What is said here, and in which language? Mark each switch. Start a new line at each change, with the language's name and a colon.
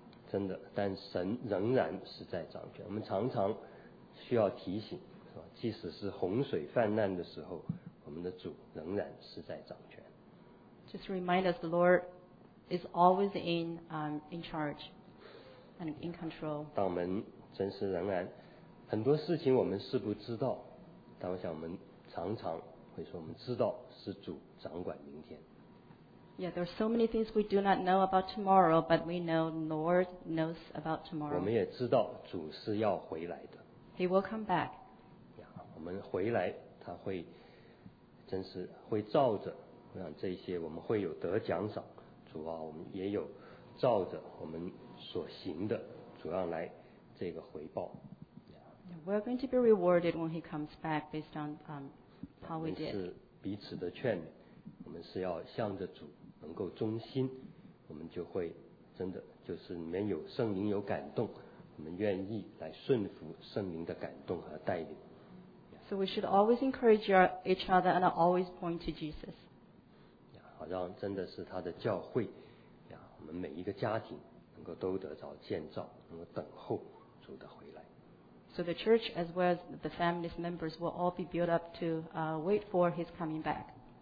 Chinese: 真的，但神仍然是在掌权。我们常常需要提醒，是吧？即使是洪水泛滥的时候，我们的主仍然是在掌权。
English: Just remind us, the Lord is always in charge and in control.
Chinese: 当我们真是仍然很多事情我们是不知道，但我想我们常常会说，我们知道是主掌管明天。
English: Yeah, there are so many things we do not know about tomorrow, but we know the Lord knows about tomorrow.
Chinese: 我们也知道主是要回来的。
English: He will come back.
Chinese: Yeah, 我们回来，他会真是会照着，我想这些我们会有得奖赏。主啊，我们也有照着我们所行的，主要来这个回报。
English: Yeah. We're going to be rewarded when He comes back based on how we did.
Chinese: 我们是彼此的劝勉，我们是要向着主。能够忠心，我们就会真的就是里面有圣灵有感动，我们愿意来顺服圣灵的感动和带领。
English: So we should always encourage each other and always point to Jesus.
Chinese: 好让真的是他的教会，我们每一个家庭能够都得着建造，能够等候主的回来。
English: So the church as well as the family's members will all be built up to wait for his coming back.